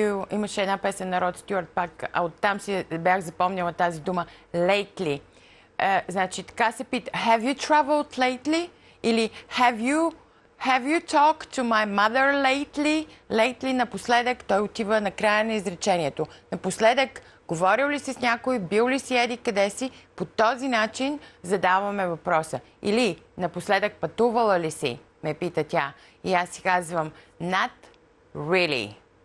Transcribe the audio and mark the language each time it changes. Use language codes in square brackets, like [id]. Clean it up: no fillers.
[bg] Имаше една песен на Род Стюарт, пак оттам си бях запомнила тази дума. [en] Lately. [bg] Значи, така се пита. [en] Have you traveled lately? Или have you talked to my mother lately? [bg] Lately, напоследък, той отива на края на изречението. Напоследък, говорил ли си с някой, бил ли си еди къде си? По този начин задаваме въпроса. Или напоследък пътувала ли си, ме пита тя. И аз си казвам, [en] not really.